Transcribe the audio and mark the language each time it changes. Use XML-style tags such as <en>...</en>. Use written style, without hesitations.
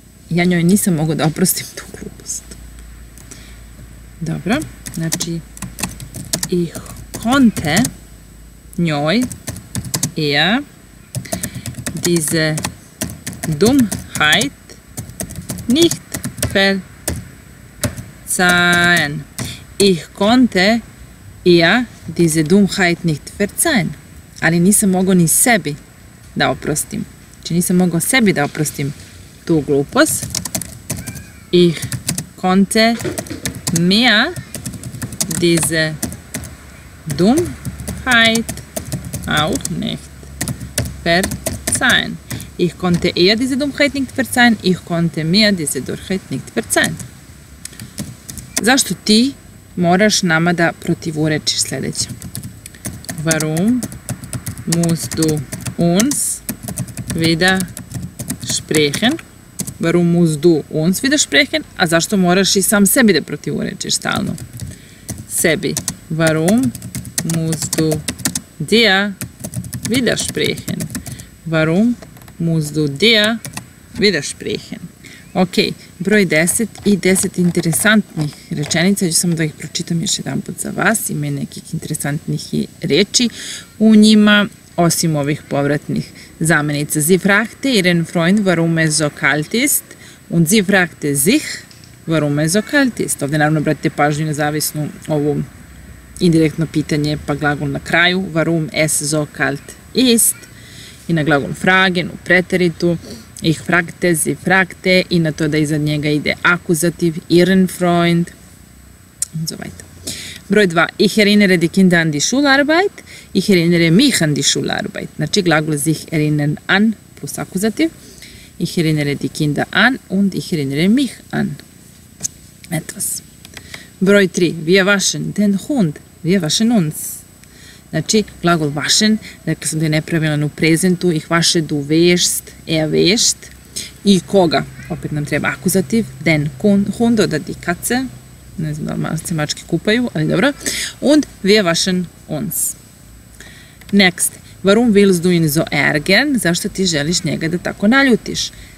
<sr>Ja njoj nisam mogao da oprostim tu glupost. Dobro, znači</sr> <de>ich konnte njoj ihr diese Dummheit nicht verzeihen. Ich konnte ihr diese Dummheit nicht verzeihen.</de> <sr>Ali nisam mogao ni sebi da oprostim. Znači nisam mogao sebi da oprostim tu glupost.</sr> <de>Ich konnte mir diese Dummheit auch nicht verzeihen. Ich konnte ihr diese Dummheit nicht verzeihen. Ich konnte mir diese Dummheit nicht verzeihen.</de> <sr>Zašto ti moraš nama da protivurečiš sljedeće?</sr> <de>Warum musst du uns widersprechen? Warum musst du uns widersprechen?</de> <sr>A zašto moraš i sam sebi da protivurečiš stalno? Sebi.</sr> <de>Warum musst du dir widersprechen? Warum musst du dir widersprechen?</de> <sr>Ok, broj 10 i 10 interesantnih rečenica. Ja ću samo da ih pročitam još jedan put za vas. Ima nekih interesantnih reči u njima. Osim ovih povratnih zamenica.</sr> <de>Sie fragte ihren Freund, warum es so kalt ist. Und sie fragte sich, warum es so kalt ist.</de> <sr>Ovdje naravno obratite pažnju na zavisnu ovu indirektno pitanje, pa glagol na kraju.</sr> <de>Warum es so kalt ist.</de> <sr>I na glagol fragen, u preteritu.</sr> <de>Ich fragte, sie fragte.</de> <sr>I na to da iza njega ide akuzativ, ihren Freund. Zovajte. Broj 2.</sr> <de>Ich erinnere die Kinder an die Schularbeit. Ich erinnere mich an die Schularbeit.</de> <sr>Znači, glagol</sr> <de>sich erinnern an plus akuzativ. Ich erinnere die Kinder an und ich erinnere mich an etwas.</de> <sr>Broj 3.</sr> <de>Wir waschen den Hund. Wir waschen uns.</de> <sr>Znači, glagol waschen, rekao sam da je nepravilan u prezentu.</sr> <de>Ich wasche, du wäschst, er wäscht.</de> <sr>I koga? Opet nam treba akuzativ.</sr> <de>Den Hund oder die Katze.</de> <sr>Ne znam da li se mačke kupaju, ali dobro.</sr> <de>Und wir waschen uns.</de> <sr>Next.</sr> <de>Warum willst du ihn so ärgern?</de> <sr>Zašto ti želiš njega da tako naljutiš?</sr>